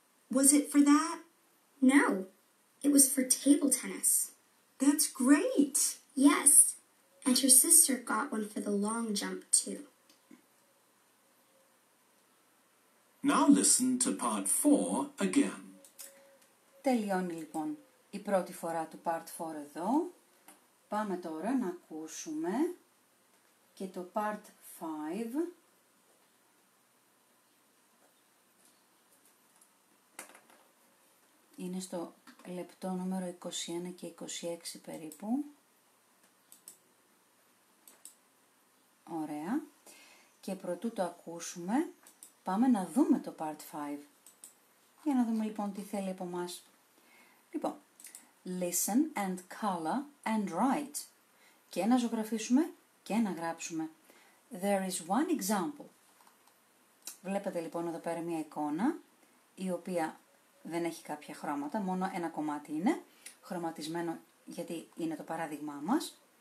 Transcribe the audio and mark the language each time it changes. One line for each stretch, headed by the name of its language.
English: Was it for that? No, it was for table tennis. That's great. Yes, and her sister got one for the long jump too. Now listen to part 4 again.
Greek: Τελειώνει λοιπόν η πρώτη φορά του part 4 εδώ. Πάμε τώρα να ακούσουμε και το part 5. Είναι στο λεπτό νούμερο 21 και 26 περίπου. Ωραία. Και προτού το ακούσουμε, πάμε να δούμε το part 5. Για να δούμε λοιπόν τι θέλει από μας.
English: Λοιπόν, listen and color and write.
Greek: Και να ζωγραφίσουμε και να γράψουμε.
English: There is one example.
Greek: Βλέπετε λοιπόν εδώ πέρα μια εικόνα, η οποία δεν έχει κάποια χρώματα, μόνο ένα κομμάτι είναι, χρωματισμένο γιατί είναι το παράδειγμά μας.